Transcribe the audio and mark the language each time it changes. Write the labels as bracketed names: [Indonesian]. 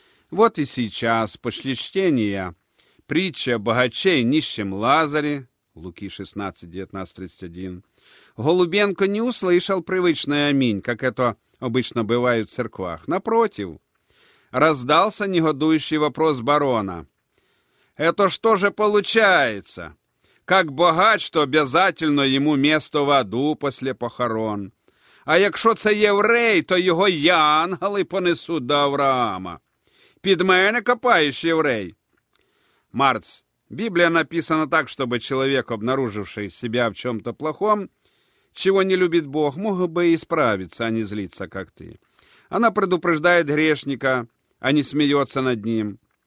[Russian] Вот и сейчас, после чтения притча о богаче и нищем Лазаре, Луки 16, 19-31, Голубенко не услышал привычный аминь, как это обычно бывает в церквах. Напротив, раздался негодующий вопрос барона: «Это что же получается? Как богач, то обязательно ему место в аду после похорон. [Ukrainian] А якщо це єврей, то його янголи понесуть до Авраама. Під мене копаєш, єврей?» [Russian] Марц, Библия написана так, чтобы человек, обнаруживший себя в чем-то плохом, чего не любит Бог, мог бы и справиться, а не злиться, как ты. Она предупреждает грешника, а не смеется над ним.